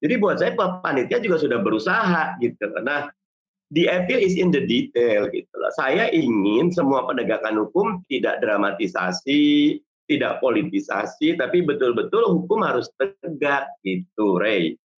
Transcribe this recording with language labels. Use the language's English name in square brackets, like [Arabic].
[Indonesian] Jadi buat saya panitia juga sudah berusaha gitu. [English] Nah, the appeal is in the detail [Indonesian] gitu loh. Saya ingin semua penegakan hukum tidak dramatisasi, tidak politisasi, tapi betul-betul hukum harus tegak gitu, Ray.